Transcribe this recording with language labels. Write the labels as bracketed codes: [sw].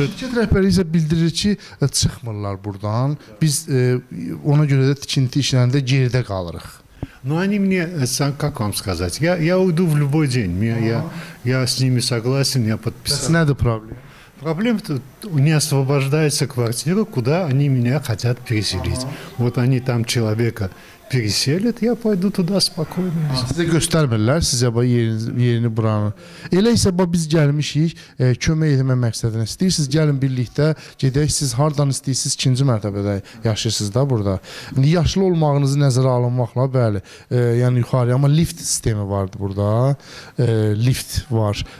[az] Şirkət rəhbəri isə bildirir ki, çıxmırlar burdan. Biz ona görə də tikinti işlərində geridə qalırıq. [ru] Но они мне, как вам сказать, я уйду в любой день. Я с ними согласен, я подписал. Это надо проблем. Проблем тут не освобождается квартира, куда они меня хотят переселить. Вот они там человека переселят, я пойду туда спокойно. [az] Size göstermediler, size bu yerini buranı. Eləyse bu biz gelmişik kömək etmə məqsədinə. İstəyirsiniz gəlin birlikdə, gedək siz hardan istəyirsiniz ikinci mərtəbədə yaşayırsınız da burada. Yaşlı olmağınızı nəzərə alınmaqla bəli, yəni yuxarı ama lift sistemi vardı burada. Lift var.